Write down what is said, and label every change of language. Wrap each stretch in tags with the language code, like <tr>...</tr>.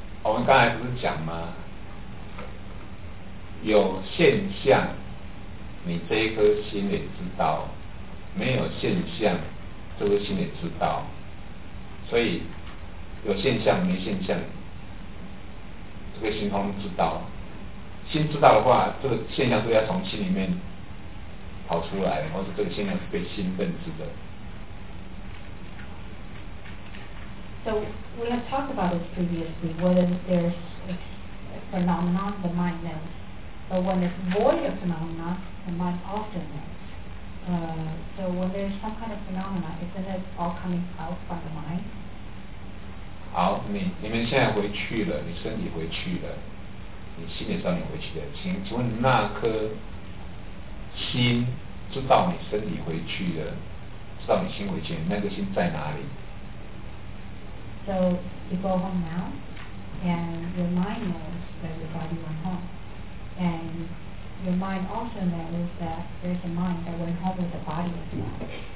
<zh>我们刚才不是讲吗？有现象，你这一颗心也知道；没有现象，这颗心也知道。所以有现象没现象，这个心通知道。心知道的话，这个现象都要从心里面跑出来，或是这个现象是被心认知的。</zh> <en>So we have talked about this previously, whether there's a phenomenon, the mind knows. But when it's void of phenomena, the mind also knows. So when there's some kind of phenomena, isn't it all coming out from the mind?</en> <zh>好，你们现在回去了，你身体回去了，你心理上也回去了。请问你那颗心知道你身体回去了，知道你心回去了，那个心在哪里？</zh> <en>So you go home now, and your mind knows that your body went home, and your mind also knows that there's a mind that went home with the body as well.</en>